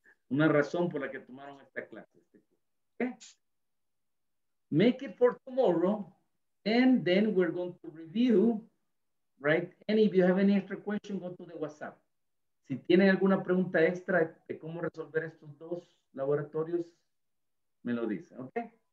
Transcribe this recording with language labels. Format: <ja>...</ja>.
<es>Una razón por la que tomaron esta clase.</es> <en>Okay. Make it for tomorrow, and then we're going to review, right? And if you have any extra question, go to the WhatsApp.</en> <es>Si tienen alguna pregunta extra de cómo resolver estos dos laboratorios, me lo dicen, okay?</es>